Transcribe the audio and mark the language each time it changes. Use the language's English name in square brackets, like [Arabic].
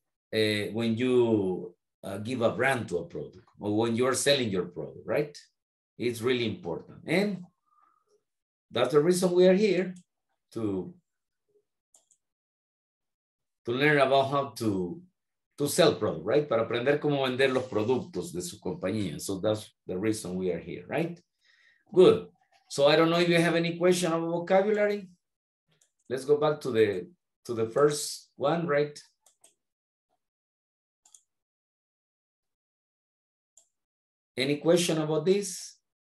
[English] When you give a brand to a product or when you're selling your product, right? It's really important. And that's the reason we are here, to learn about how to sell product, right? [Spanish] Para aprender cómo vender los productos de su compañía. [English] So that's the reason we are here, right? Good. So I don't know if you have any question about vocabulary. Let's go back to the first one, right? Any question about this?